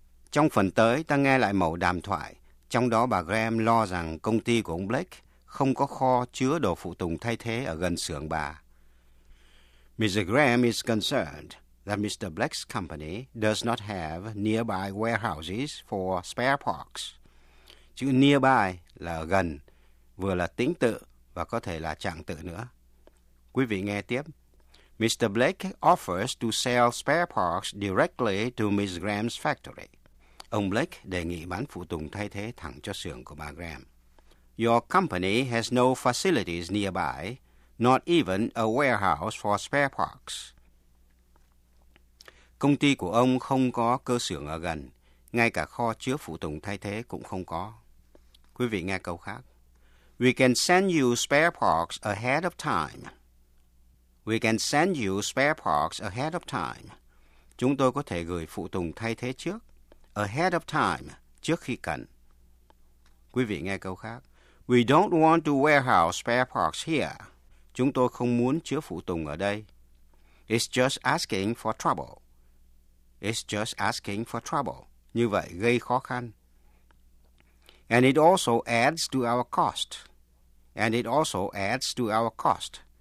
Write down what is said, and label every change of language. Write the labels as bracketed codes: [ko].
[vi] Trong phần tới, ta nghe lại mẫu đàm thoại. Trong đó bà Graham lo rằng công ty của ông Blake không có kho chứa đồ phụ tùng thay thế ở gần xưởng bà. [en] Mrs. Graham is concerned that Mr. Blake's company does not have nearby warehouses for spare parts. [vi] Chữ nearby là gần, vừa là tính tự và có thể là trạng tự nữa. Quý vị nghe tiếp. [en] Mr. Blake offers to sell spare parts directly to Mrs. Graham's factory. [vi] Ông Blake đề nghị bán phụ tùng thay thế thẳng cho xưởng của bà Graham. [en] Your company has no facilities nearby, not even a warehouse for spare parts. [vi] Công ty của ông không có cơ xưởng ở gần, ngay cả kho chứa phụ tùng thay thế cũng không có. Quý vị nghe câu khác. [en] We can send you spare parts ahead of time. We can send you spare parts ahead of time. [vi] Chúng tôi có thể gửi phụ tùng thay thế trước. [en] Ahead of time, [vi] trước khi cần. Quý vị nghe câu khác. [en] We don't want to warehouse spare parts here. [vi] Chúng tôi không muốn chứa phụ tùng ở đây. [en] It's just asking for trouble. It's just asking for trouble. [vi] Như vậy, gây khó khăn. [en] And it also adds to our cost. And it also adds to our cost.